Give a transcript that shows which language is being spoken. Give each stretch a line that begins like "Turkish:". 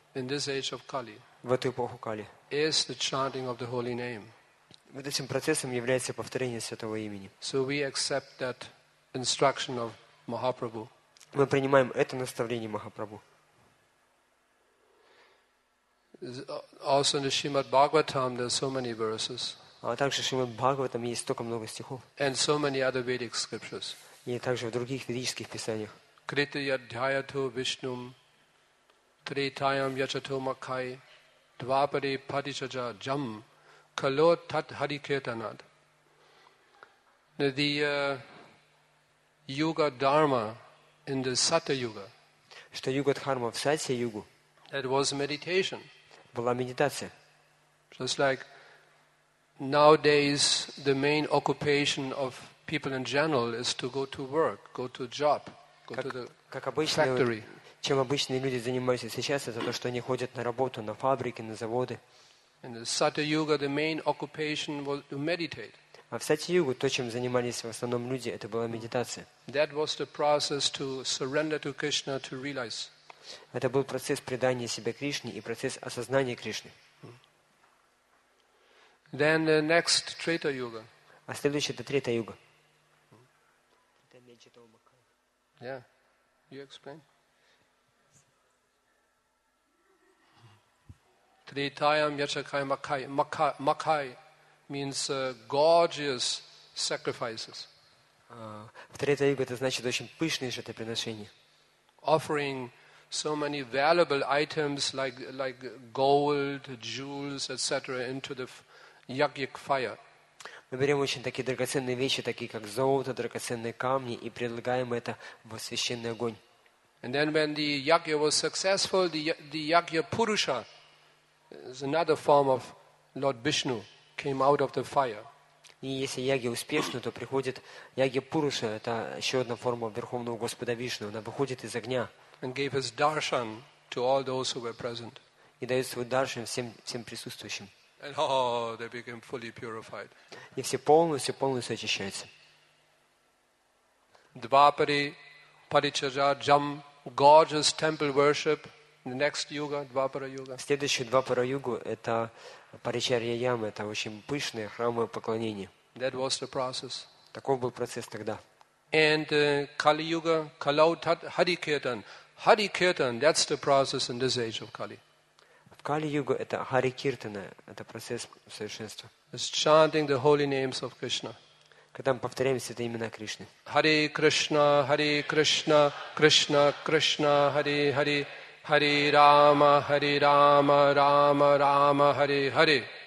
English: In this age of Kali.
Russian: В эту эпоху Кали.
English: Is the chanting of the holy name.
Russian: Вот этим процессом является повторение святого имени.
English: So we accept that instruction of Mahaprabhu.
Russian: Мы принимаем это наставление Махапрабху.
English: Also in the Shrimad Bhagavatam there are so many verses.
Russian: А также в Шримад Бхагаватам есть столько много стихов.
English: And so many other Vedic scriptures.
Russian: И также в других ведических писаниях.
Sanskrit: Крита Ядхаято Вишнум Тритаям Ячато Макхай Двапари Падичаджа Джам Кало Тат Хариketanad.
English: The Yuga Dharma in the Satya Yuga.
Russian: Что Юга Дхарма в Сатья Югу?
English: That was meditation.
Russian: Была медитация.
English: Just like nowadays the main occupation of people in general is to go to work, go to job, go to the factory.
Russian: Чем обычные люди занимаются сейчас, это то, что они ходят на работу, на фабрики, на заводы. А в Сатья-югу то, чем занимались в основном люди, это была медитация. Это был процесс предания себя Кришне и процесс осознания Кришны. А следующий – это Трета-юга.
English: Yeah. You explain?
Sanskrit: Tritayam yachakai makai.
English: Makai means gorgeous sacrifices.
Russian: В третьей юге это значит очень пышные жертвоприношения.
English: Offering so many valuable items like gold, jewels, etc. into the yagyic fire.
Russian: Мы берем очень такие драгоценные вещи, такие как золото, драгоценные камни, и предлагаем это в священный огонь.
English: And then when the yagya was successful, the yagya purusha, it's another form of Lord Vishnu, came out of the fire.
Russian: И если яги успешны, то приходит яги Пуруша, это еще одна форма Верховного Господа Вишну, она выходит из огня.
English: And gave his darshan to all those who were present.
Russian: И дает свой даршан всем, всем присутствующим.
English: And, oh, they became fully purified.
Russian: И все полностью, полностью очищаются.
Sanskrit: Двапари, Паричарджа, Джам,
English: gorgeous temple worship, the next yuga, Двапара Юга.
Russian: Следующий Двапара Юга – это Паричарья Яма, это очень пышные храмы поклонения.
English: That was the process.
Russian: Таков был процесс тогда.
English: And Kali Yuga, Kalau Hari Kirtan. Hari Kirtan, that's the process in this age of Kali.
Russian: В Кали-Юге это Хари Киртана, это процесс совершенства.
English: It's chanting the holy names of Krishna.
Russian: Когда мы повторяем святые имена Кришны.
Sanskrit: Hari Krishna, Hari Krishna, Krishna Krishna, Hari Hari, Hari Rama, Hari Rama, Rama Rama, Hari Hari.